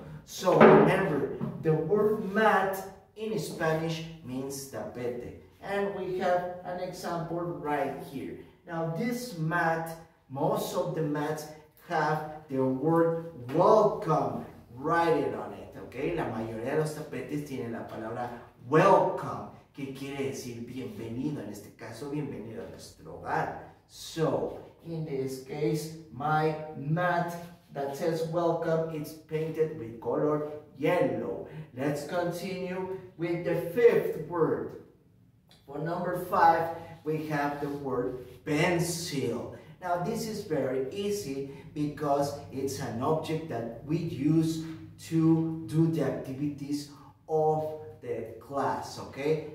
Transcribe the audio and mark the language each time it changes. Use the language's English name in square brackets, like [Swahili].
[English] So remember, the word mat in Spanish means tapete. And we have an example right here. Now this mat, most of the mats have the word welcome written on it, okay? [Spanish] La mayoría de los tapetes tienen la palabra welcome, que quiere decir bienvenido, en este caso, bienvenido a nuestro hogar. [English] So, in this case, my mat that says welcome, it's painted with color yellow. Let's continue with the fifth word. For number five, we have the word pencil. Now this is very easy because it's an object that we use to do the activities of the class, okay?